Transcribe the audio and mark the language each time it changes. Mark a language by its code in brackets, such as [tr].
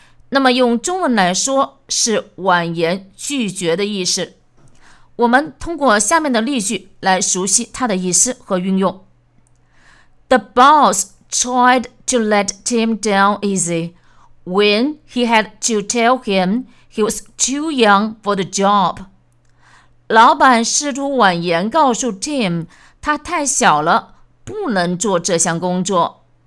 [zh] 那么用中文来说是婉言拒绝的意思。我们通过下面的例句来熟悉它的意思和运用。 [en] The boss tried to let Tim down easy when he had to tell him he was too young for the job. [zh] 老板试图婉言告诉 Tim 他太小了，不能做这项工作。